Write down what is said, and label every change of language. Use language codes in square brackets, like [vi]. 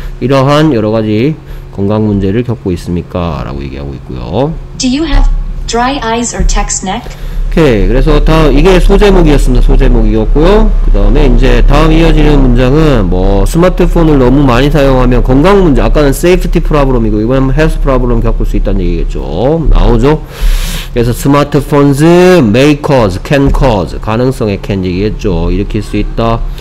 [ko] 이러한 여러가지 건강 문제를 겪고 있습니까 라고 얘기하고 있고요. [en] Do you have dry eyes or text neck? [ko] 오케이. 그래서 다음 이게 소제목이었습니다. 소제목이었고요. 그 다음에 이제 다음 이어지는 문장은 뭐 스마트폰을 너무 많이 사용하면 건강 문제, 아까는 [en] safety problem [ko] 이고 이번엔 [en] health problem [ko] 겪을 수 있다는 얘기겠죠. 나오죠. 그래서 [en] smartphones may cause, can cause, [ko] 가능성의 can 얘기했죠. 일으킬 수 있다.